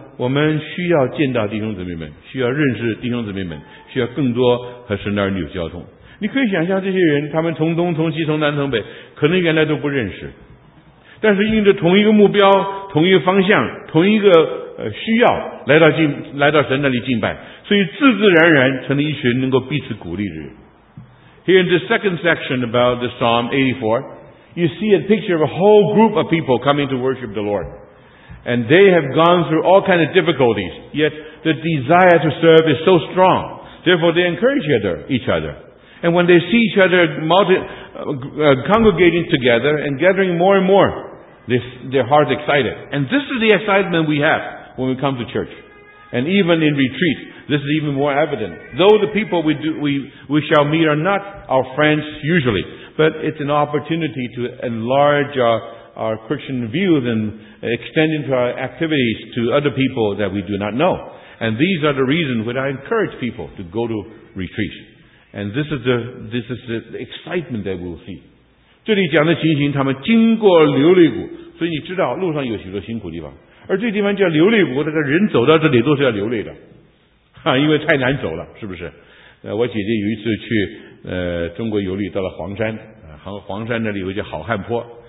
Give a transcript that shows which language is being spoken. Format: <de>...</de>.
<zh>我们需要见到弟兄姊妹们，需要认识弟兄姊妹们，需要更多和神的儿女有交通。你可以想象这些人，他们从东从西从南从北，可能原来都不认识，但是因着同一个目标，同一个方向，同一个需要，来到神那里敬拜，所以自自然然成了一群能够彼此鼓励的人。</zh> <en>Here in the second section about the Psalm 84, you see a picture of a whole group of people coming to worship the Lord. And they have gone through all kinds of difficulties, yet the desire to serve is so strong. Therefore, they encourage each other. And when they see each other congregating together and gathering more and more, their heart's excited. And this is the excitement we have when we come to church. And even in retreat,This is even more evident. Though the people we shall meet are not our friends usually, but it's an opportunity to enlarge our Christian views and extend into our activities to other people that we do not know. And these are the reasons when I encourage people to go to retreat. And this is the excitement that we'll see.</en> <zh>这里讲的情形，他们经过流泪谷，所以你知道路上有许多辛苦地方。而这地方叫流泪谷，这个人走到这里都是要流泪的。因为太难走了，是不是？我姐姐有一次去中国游历，到了黄山，黄山那里有一个叫好汉坡。</zh>